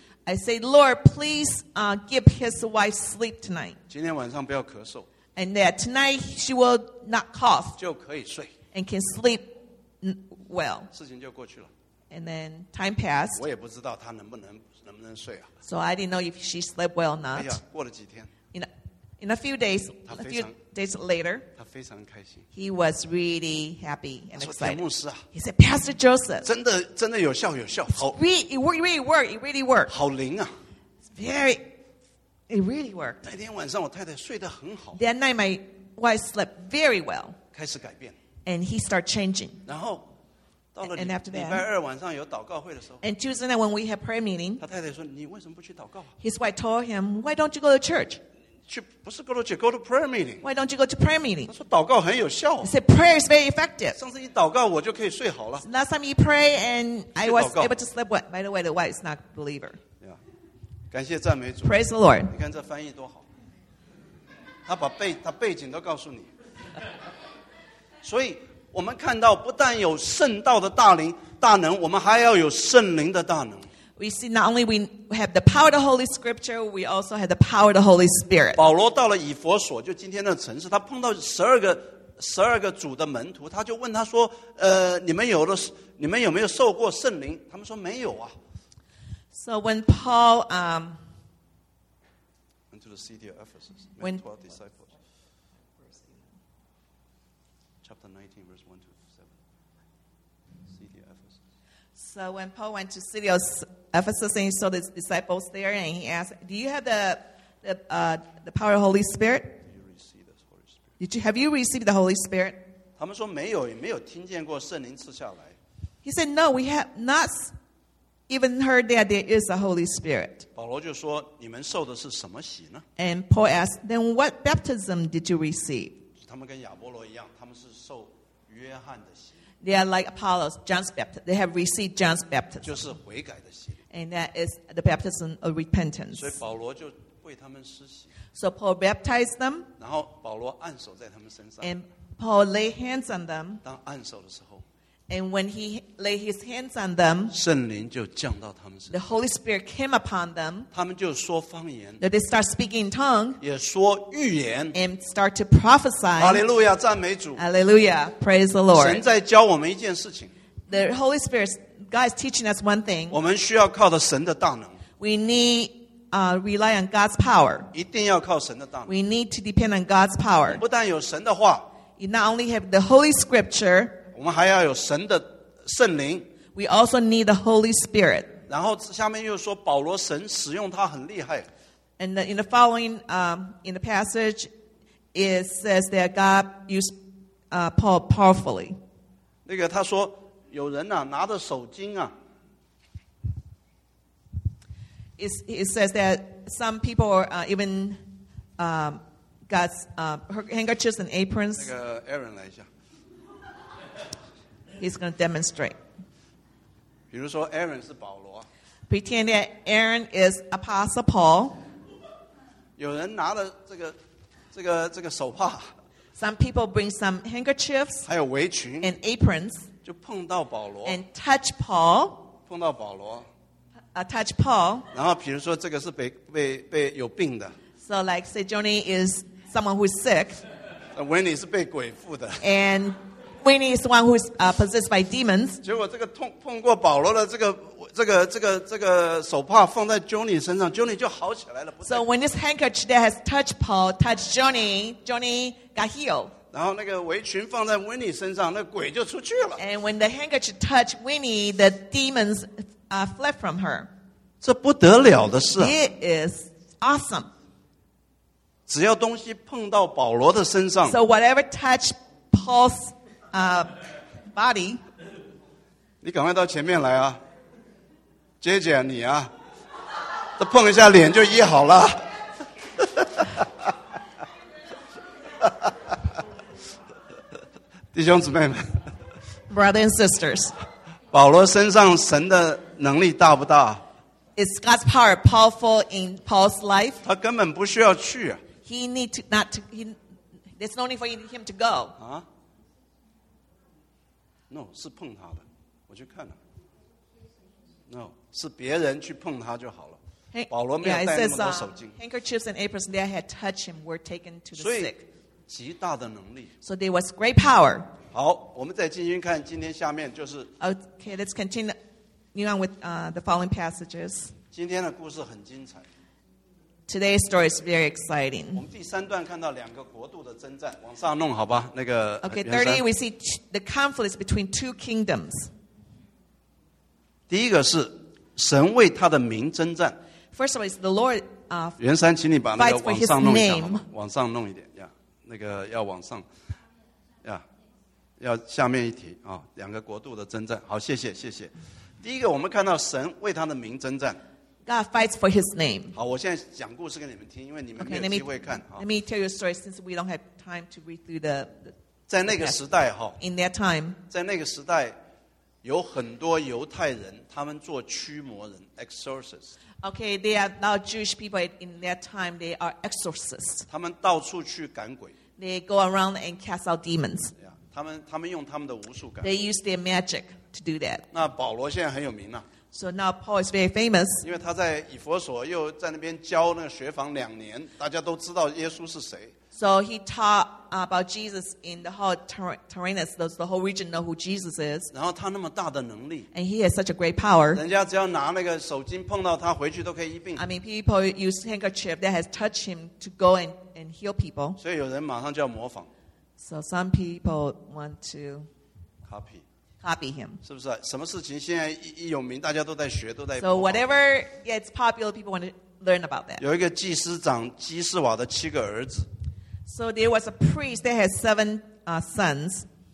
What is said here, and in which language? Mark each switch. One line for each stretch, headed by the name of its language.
English: I say, Lord, please give his wife sleep tonight.
Chinese: 今天晚上不要咳嗽。
English: And that tonight she will not cough.
Chinese: 就可以睡。
English: And can sleep well.
Chinese: 事情就过去了。
English: And then time passed.
Chinese: 我也不知道她能不能睡啊。
English: So I didn't know if she slept well or not.
Chinese: 哎呀，过了几天。
English: In a few days later, he was really happy and excited. He said, Pastor Joseph,
Chinese: 真的有效有效好
English: it really worked.
Chinese: 好灵啊
English: it really worked.
Chinese: 那天晚上我太太睡得很好
English: That night my wife slept very well.
Chinese: 开始改变
English: And he started changing.
Chinese: 然后到了
English: and after that,
Chinese: 礼拜二晚上有祷告会的时候
English: And Tuesday night when we had prayer meeting,
Chinese: 他太太说你为什么不去祷告
English: His wife told him, why don't you go to church?
Chinese: 不是
English: go to prayer meeting. Why don't you go to prayer meeting?
Chinese: 他说祷告很有效。
English: He said prayer is very effective.
Chinese: 上次一祷告我就可以睡好了。
English: Last time you pray and I was able to sleep well. By the way, the wife is not a believer. Yeah.
Chinese: 感谢赞美主。
English: Praise the Lord.
Chinese: 你看这翻译多好。他背景都告诉你。所以我们看到不但有圣道的大能，我们还要有圣灵的大能。
English: We see not only we have the power of the Holy Scripture, we also have the power of the Holy Spirit.
Chinese: 保罗到了以弗所，就今天的城市，他碰到十二个主的门徒，他就问他说，你们有没有受过圣灵？他们说没有啊。
English: So when Paul went to the city of Ephesus, met 12 disciples. Chapter 19, verse 1 to 7. City of Ephesus. So when Paul went to city of Ephesus, and he saw the disciples there, and he asked, "Do you have the power of the Holy Spirit? Do you receive the Holy Spirit? Have you received the Holy Spirit?"
Chinese: 他们说没有，也没有听见过圣灵赐下来。
English: He said, "No, we have not even heard that there is a Holy Spirit."
Chinese: 保罗就说，你们受的是什么洗呢？
English: And Paul asked, "Then what baptism did you receive?"
Chinese: 他们跟亚波罗一样，他们是受约翰的洗。
English: They are like Apollos, John's baptism. They have received John's baptism.
Chinese: 就是悔改的洗礼。
English: And that is the baptism of repentance.
Chinese: 所以保罗就为他们施洗。
English: So Paul baptized them.
Chinese: 然后保罗按手在他们身上。
English: And Paul laid hands on them.
Chinese: 当按手的时候。
English: And when he laid his hands on them.
Chinese: 圣灵就降到他们身上。
English: The Holy Spirit came upon them.
Chinese: 他们就说方言。
English: That they start speaking in tongues.
Chinese: 也说预言。
English: And start to prophesy.
Chinese: Hallelujah, 赞美主。
English: Hallelujah, praise the Lord.
Chinese: 神在教我们一件事情。
English: The Holy Spirit, God is teaching us one thing.
Chinese: 我们需要靠着神的大能。
English: We need rely on God's power.
Chinese: 一定要靠神的大能。
English: We need to depend on God's power.
Chinese: 不但有神的话。
English: You not only have the Holy Scripture.
Chinese: 我们还要有神的圣灵。
English: We also need the Holy Spirit.
Chinese: 然后下面又说保罗神使用他很厉害。
English: And in the following, in the passage, it says that God used Paul powerfully.
Chinese: 那个他说有人啊拿着手巾啊。
English: It says that some people even got handkerchiefs and aprons.
Chinese: 那个 Aaron 来一下。
English: He's going to demonstrate.
Chinese: 比如说 Aaron 是保罗。
English: Pretend that Aaron is Apostle Paul.
Chinese: 有人拿了这个手帕。
English: Some people bring some handkerchiefs.
Chinese: 还有围裙。
English: And aprons.
Chinese: 就碰到保罗。
English: And touch Paul.
Chinese: 碰到保罗。
English: Touch Paul.
Chinese: 然后比如说这个是被有病的。
English: So like say Johnny is someone who is sick.
Chinese: Winnie 是被鬼附的。
English: And Winnie is the one who's possessed by demons.
Chinese: 结果这个手帕 放在 Johnny 身上， Johnny 就好起来了。
English: So when this handkerchief that has touched Paul touched Johnny, Johnny got healed.
Chinese: 然后那个围裙放在 Winnie 身上， 那鬼就出去了。
English: And when the handkerchief touched Winnie, the demons fled from her.
Chinese: 这不得了的事啊。
English: It is awesome.
Chinese: 只要东西碰到保罗的身上，
English: So whatever touched Paul's body.
Chinese: 你赶快到前面来啊。姐姐你啊， 碰一下脸就医好了。弟兄姊妹们，
English: Brothers and sisters,
Chinese: 保罗身上神的能力大不大？
English: Is God's power powerful in Paul's life?
Chinese: 他根本不需要去。
English: He need to not to, he, there's no need for him to go.
Chinese: 啊？
English: No,
Chinese: 是碰他的， 我去看了。
English: No,
Chinese: 是别人去碰他就好了。保罗没有带那么多手巾。
English: Handkerchiefs and aprons that had touched him were taken to the sick.
Chinese: 极大的能力。
English: So there was great power.
Chinese: 好， 我们再继续看今天下面就是。
English: Okay, let's continue on with the following passages.
Chinese: 今天的故事很精彩。
English: Today's story is very exciting.
Chinese: 我们第三段看到两个国度的征战，往上弄好吧。
English: Okay, 30, we see the conflict between two kingdoms.
Chinese: 第一个是神为他的名征战。
English: First of all, it's the Lord fights for his name.
Chinese: 往上弄一点，那个要往上，要下面一题，两个国度的征战。好，谢谢。第一个我们看到神为他的名征战。
English: God fights for his name.
Chinese: 好，我现在讲故事给你们听， 因为你们没有机会看。
English: Okay, let me tell you a story since we don't have time to read through the
Chinese: 在那个时代，
English: in that time,
Chinese: 在那个时代， 有很多犹太人， 他们做驱魔人， exorcist.
English: Okay, they are now Jewish people in that time, they are exorcists.
Chinese: 他们到处去赶鬼。
English: They go around and cast out demons.
Chinese: 他们用他们的巫术赶鬼。
English: They use their magic to do that.
Chinese: 那保罗现在很有名啊。
English: So now Paul is very famous.
Chinese: 因为他在以弗所又在那边教那个学房两年， 大家都知道耶稣是谁。
English: So he taught about Jesus in the whole Tyrannus, the whole region know who Jesus is.
Chinese: 然后他那么大的能力。
English: And he has such a great power.
Chinese: 人家只要拿那个手巾碰到他， 回去都可以一病。
English: I mean, people use handkerchief that has touched him to go and heal people.
Chinese: 所以有人马上就要模仿。
English: So some people want to copy. Copy him.
Chinese: 是不是？什么事情现在一有名， 大家都在学， 都在报告。
English: So whatever gets popular, people want to learn about that.
Chinese: 有一个祭司长基士瓦的七个儿子。
English: So there was a priest that had seven sons.